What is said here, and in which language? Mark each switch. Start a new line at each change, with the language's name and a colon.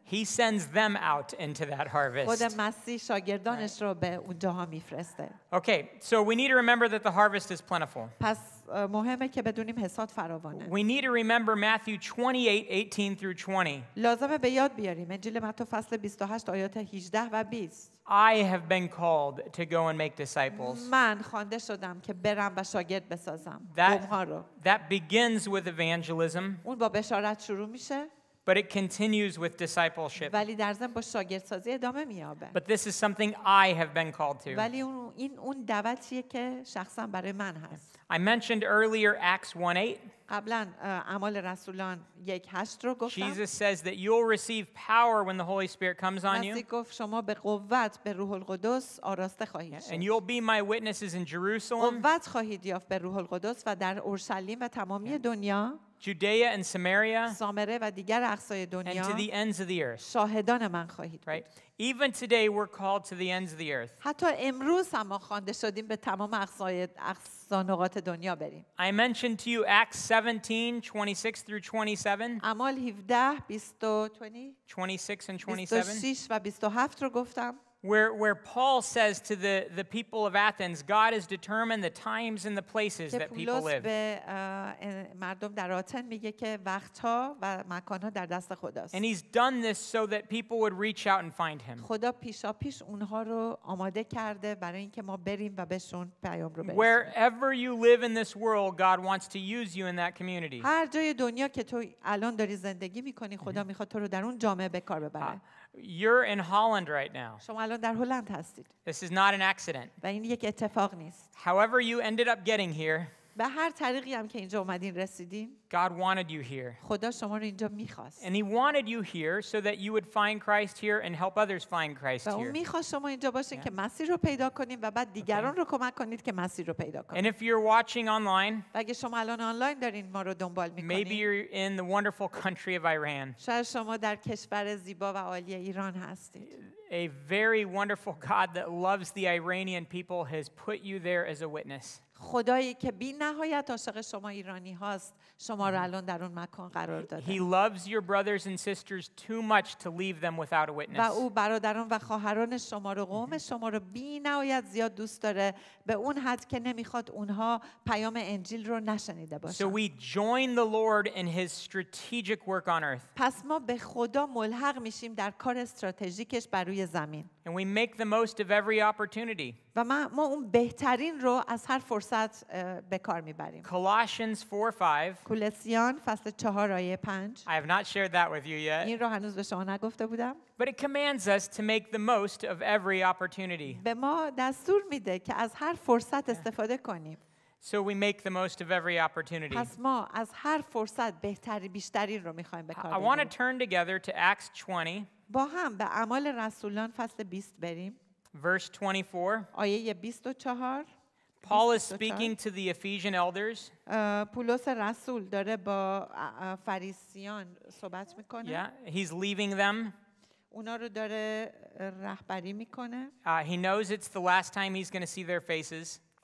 English: He sends them out into that harvest.
Persian: خود مسیح شاگردانش رو به اونجا میفرسته.
English: Okay, so we need to remember that the harvest is plentiful.
Persian: پس مهمه که بدونیم حصاد فراوانه.
English: We need to remember Matthew 28:18 through 20.
Persian: لازمه به یاد بیاریم انجیل متی فصل 28 آیات 18 و 20.
English: I have been called to go and make disciples.
Persian: من خوانده شدم که برم و شاگرد بسازم.
English: That begins with evangelism.
Persian: اون با بشارت شروع میشه.
English: But it continues with discipleship.
Persian: ولی در ضمن با شاگرد سازی ادامه می‌یابه.
English: But this is something I have been called to.
Persian: ولی اون دعوتیه که شخصا برای من هست.
English: I mentioned earlier Acts 1:8.
Persian: قبلا اعمال رسولان 1:8 رو گفتم.
English: Jesus says that you'll receive power when the Holy Spirit comes on you.
Persian: مسیح گفت شما به قوت به روح القدس آراسته خواهید شد.
English: And you'll be my witnesses in Jerusalem.
Persian: قوت خواهید یافت به روح القدس و در اورشلیم و تمامی دنیا.
English: Judea and Samaria,
Persian: سامره و دیگر اقصای دنیا,
English: and to the ends of the earth.
Persian: شاهدان من خواهید بود.
English: Right. Even today we're called to the ends of the earth.
Persian: حتی امروز هم خوانده شدیم به تمام اقصای نقاط دنیا بریم.
English: I mentioned to you Acts 17:26 through 27.
Persian: اعمال 17 20
English: 26 and 27.
Persian: 26 و 27 رو گفتم.
English: Where Paul says to the people of Athens, God has determined the times and the places that people live.
Persian: به مردم در آتن میگه که وقت‌ها و مکان‌ها در دست خداست.
English: And he's done this so that people would reach out and find him.
Persian: خدا پیشاپیش اونها رو آماده کرده برای اینکه ما بریم و بهشون پیام رو برسونیم.
English: Wherever you live in this world, God wants to use you in that community.
Persian: هر جای دنیا که تو الان داری زندگی می‌کنی، خدا می‌خواد تو رو در اون جامعه به کار ببره.
English: You're in Holland right now.
Persian: شما الان در هلند هستید.
English: This is not an accident.
Persian: و این یک اتفاق نیست.
English: However you ended up getting here.
Persian: به هر طریقی هم که اینجا اومدین رسیدین.
English: God wanted you here.
Persian: خدا شما رو اینجا می‌خواست.
English: And he wanted you here so that you would find Christ here and help others find Christ here.
Persian: و اون می‌خواست شما اینجا باشین که مسیر رو پیدا کنین و بعد دیگران رو کمک کنید که مسیر رو پیدا کنن.
English: And if you're watching online.
Persian: و اگه شما الان آنلاین دارین ما رو دنبال می‌کنین.
English: Maybe you're in the wonderful country of Iran.
Persian: شاید شما در کشور زیبا و عالی ایران هستید.
English: A very wonderful God that loves the Iranian people has put you there as a witness.
Persian: خدایی که بی‌نهایت عاشق شما ایرانی هاست شما رو الان در اون مکان قرار داده.
English: He loves your brothers and sisters too much to leave them without a witness.
Persian: و او برادران و خواهران شما رو قوم شما رو بی‌نهایت زیاد دوست داره به اون حد که نمیخواد اونها پیام انجیل رو نشنیده باشن.
English: So we join the Lord in his strategic work on earth.
Persian: پس ما به خدا ملحق میشیم در کار استراتژیکش بر روی زمین.
English: And we make the most of every opportunity.
Persian: و ما اون بهترین رو از هر فرصت به کار میبریم.
English: Colossians 4:5.
Persian: کولوسیان فصل 4 آیه 5.
English: I have not shared that with you yet.
Persian: این رو هنوز به شما نگفته بودم.
English: But it commands us to make the most of every opportunity.
Persian: به ما دستور میده که از هر فرصت استفاده کنیم.
English: So we make the most of every opportunity.
Persian: پس ما از هر فرصت بهتری بیشتری رو میخوایم به کار ببریم.
English: I want to turn together to Acts 20.
Persian: با هم به اعمال رسولان فصل 20 بریم.
English: Verse 24.
Persian: آیه 24.
English: Paul is speaking to the Ephesian elders.
Persian: پولس رسول داره با فریسیان صحبت میکنه.
English: Yeah, he's leaving them.
Persian: اونا رو داره رهبری میکنه.
English: He knows it's the last time he's going to see their faces.